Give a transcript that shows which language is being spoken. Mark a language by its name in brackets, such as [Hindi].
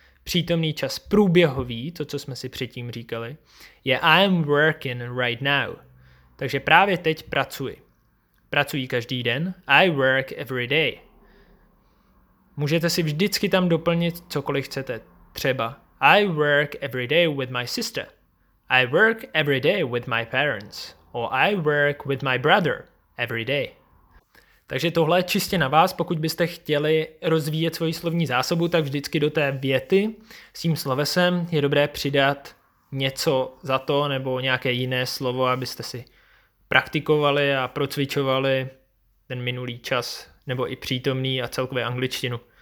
[Czech] Přítomný čas průběhový, to, co jsme si předtím říkali, je [English] I'm working right now. [Czech] Takže právě teď pracuji. Pracuji každý den. [English] I work every day. [Czech] Můžete si vždycky tam doplnit cokoliv chcete. Třeba [English] I work every day with my sister. I work every day with my parents. Or I work with my brother every day. [Czech] Takže tohle je čistě na vás, pokud byste chtěli rozvíjet svoji slovní zásobu, tak vždycky do té věty s tím slovesem je dobré přidat něco za to nebo nějaké jiné slovo, abyste si praktikovali a procvičovali ten minulý čas, nebo i přítomný a celkově angličtinu.